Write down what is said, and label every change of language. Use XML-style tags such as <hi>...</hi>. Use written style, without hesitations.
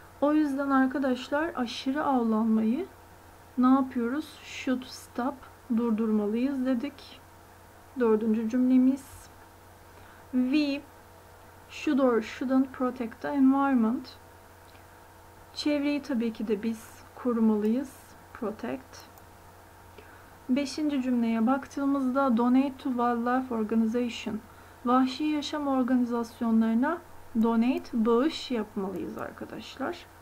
<tr>O yüzden arkadaşlar aşırı avlanmayı ne yapıyoruz? Should stop, durdurmalıyız dedik. Dördüncü cümlemiz.</tr> <en>We should or shouldn't protect the environment.</en> <tr>Çevreyi tabii ki de biz korumalıyız. Protect. Beşinci cümleye baktığımızda</tr> <en>donate to wildlife organization.</en> <tr>Vahşi yaşam organizasyonlarına donate, bağış yapmalıyız arkadaşlar.</tr>